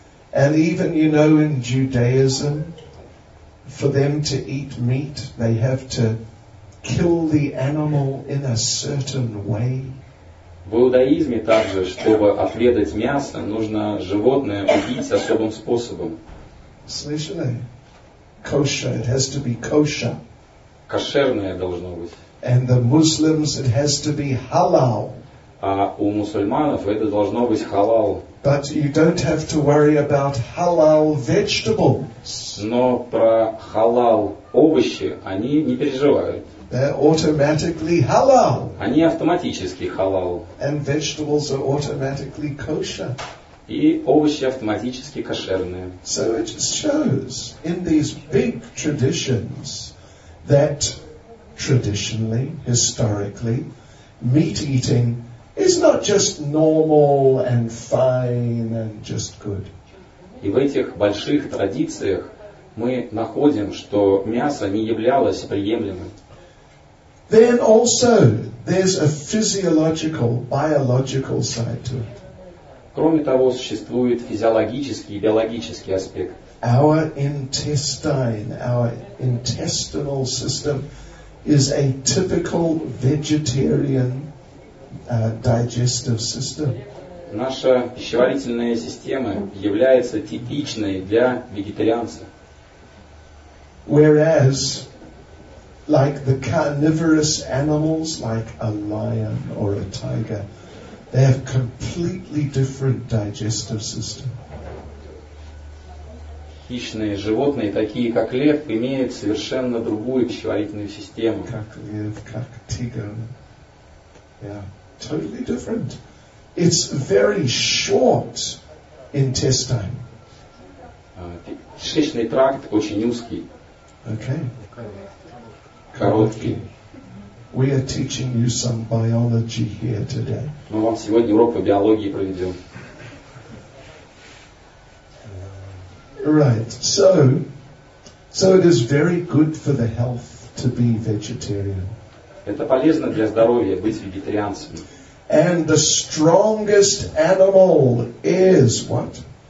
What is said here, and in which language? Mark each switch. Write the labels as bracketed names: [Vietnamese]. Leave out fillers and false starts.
[English] And even, you know, in Judaism, for them to eat meat, they have to kill the animal in a certain way. [Russian] В иудаизме также, чтобы отведать мясо, нужно животное убить особым способом. Слышали? [English] Kosher. It has to be kosher. [Russian] Кошерное должно быть. [English] And the Muslims, it has to be halal. [Russian] А у мусульманов это должно быть халал. [English] But you don't have to worry about halal vegetables. [Russian] Но про халал овощи они не переживают. [English] They're automatically halal. [Russian] Они автоматически халал. [English] And vegetables are automatically kosher. [Russian] И овощи автоматически кошерные. [English] So it just shows in these big traditions that traditionally, historically, meat eating is not just normal and fine and just good. [Russian] И в этих больших традициях мы находим, что мясо не являлось приемлемым. [English] Then also there's a physiological, biological side to it. [Russian] Кроме того, существует физиологический и биологический аспект. [English] Our intestine, our intestinal system is a typical vegetarian digestive system. [Russian] Наша пищеварительная система является типичной для вегетарианца. [English] Whereas like the carnivorous animals like a lion or a tiger, they have completely different digestive system. [Russian] Хищные животные, такие как лев, имеют совершенно другую пищеварительную систему. Как лев, как тигр. [English] Yeah, totally different. It's very short intestine. [Russian] Кишечный тракт очень узкий. [English] Okay. [Russian] Короткий. [English] We are teaching you some biology here today. [Russian] Мы вам сегодня урок по биологии проведем. [English] Right. So it is very good for the health to be vegetarian. [Russian] Это полезно для здоровья быть вегетарианцем. [English] And the strongest animal is what?